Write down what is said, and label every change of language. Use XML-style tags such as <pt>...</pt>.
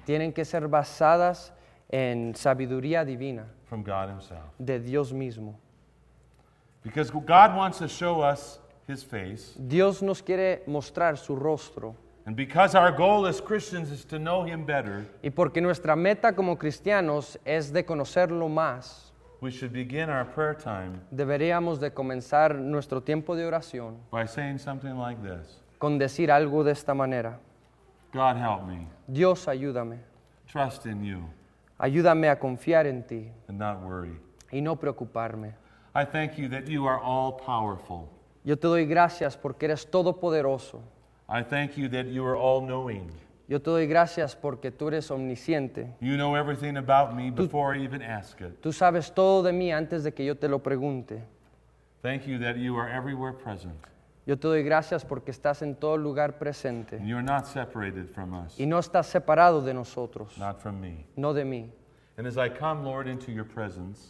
<es>Tienen que ser basadas en sabiduría divina.</es> <en>From God himself.</en> <es>De Dios mismo.</es> <en>Because God wants to show us his face.</en> <es>Dios nos quiere mostrar su rostro.</es> <en>And because our goal as Christians is to know him better.</en> <es>Y porque nuestra meta como cristianos es de conocerlo más.</es> <en>We should begin our prayer time.</en> <es>Deberíamos de comenzar nuestro tiempo de oración.</es> <en>By saying something like this.</en> <es>Con decir algo de esta manera.</es> <en>God help me.</en> <es>Dios ayúdame.</es> <en>Trust in you.</en> <es>Ayúdame a confiar en ti.</es> <en>And not worry.</en> <es>Y no preocuparme.</es> <en>I thank you that you are all powerful.</en> <es>Yo te doy gracias porque eres todopoderoso.</es> <en>I thank you that you are all knowing.</en> <es>Yo te doy gracias porque tú eres omnisciente.</es> <en>You know everything about me before I even ask it.</en> <es>Tú sabes todo de mí antes de que yo te lo pregunte.</es> <en>Thank you that you are everywhere present.</en> <es>Yo te doy gracias porque estás en todo lugar presente.</es> <en>And you are not separated from us.</en> <es>Y no estás separado de nosotros.</es> <en>Not from me.</en> <es>No de mí.</es> <en>And as I come, Lord, into your presence.</en>